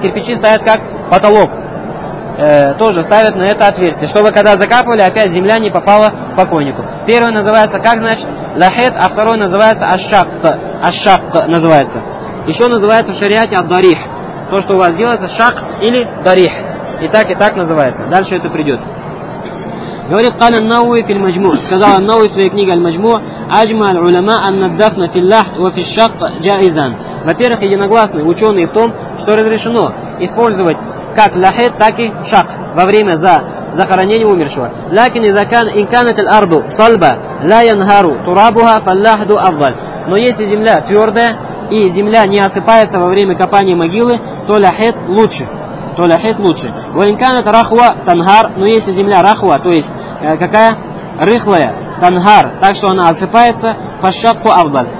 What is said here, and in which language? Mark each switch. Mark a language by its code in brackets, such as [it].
[ru] Кирпичи ставят как потолок. Тоже ставят на это отверстие, чтобы когда закапывали, опять земля не попала к покойнику. Первое называется как, значит, лахет, а второе называется ашшак. Ашшак называется. Еще называется в шариате ад-дарих. То, что у вас делается, шак или дарих. И так называется. Дальше это придет. [ar] Говорит قال النووي في المجموع [ru] сказал [ar] النووي [ru] в своей книге [ar] المجموع اجمع العلماء ان الدفن في اللحد وفي الشق جائزا. [ru] Во-первых, единогласны ученые в том, что разрешено использовать как лахет, так и шак во время захоронения умершего. [ar] لكن اذا كان ان كانت الارض صلبه لا ينهار ترابها فاللحد افضل. [ru] Но если земля твердая и земля не осыпается во время копания могилы, то лахет лучше. То ляхет лучше. Воинканат рахва тангар, но если земля рахва, то есть какая? Рыхлая, тангар, так что она осыпается, фашакку авдаль.